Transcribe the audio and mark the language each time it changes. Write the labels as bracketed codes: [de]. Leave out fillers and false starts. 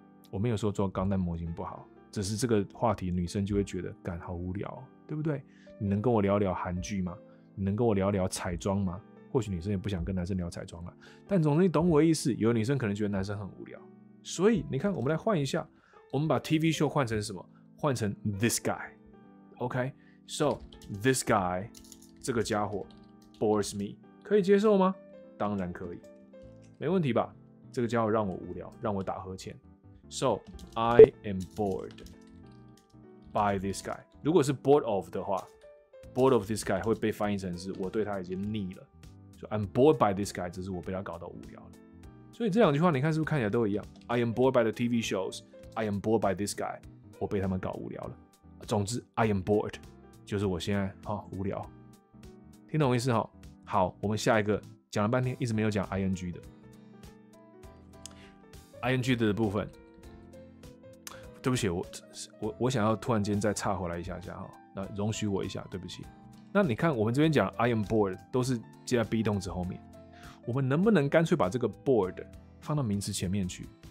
[zh] 我没有说做钢弹模型不好，只是这个话题女生就会觉得感好无聊，对不对？你能跟我聊聊韩剧吗？你能跟我聊聊彩妆吗？或许女生也不想跟男生聊彩妆了，但总之你懂我意思，有的女生可能觉得男生很无聊。所以你看，我们来换一下，我们把 TV show 换成什么？换成 this guy， OK？ [en] So this guy， [zh] 这个家伙 bores me， 可以接受吗？当然可以，没问题吧？这个家伙让我无聊，让我打呵欠。 [en] So I am bored by this guy。 [zh] 如果是 bored of 的话 ， [en] bored of this guy [zh] 会被翻译成是我对他已经腻了。 [en] So I'm bored by this guy， [zh] 只是我被他搞到无聊了。所以这两句话你看是不是看起来都一样 ？ [en] I am bored by the TV shows。 I am bored by this guy， [zh] 我被他们搞无聊了。 总之 ， [en] I am bored。 [zh] 就是我现在好无聊，听懂意思哈？好，我们下一个讲了半天，一直没有讲 ing 的 ，ing 的部分。对不起，我想要突然间再岔回来一下下哈，那容许我一下，对不起。那你看，我们这边讲 I am bored 都是接在 be 动词后面，我们能不能干脆把这个 bored 放到名词前面去？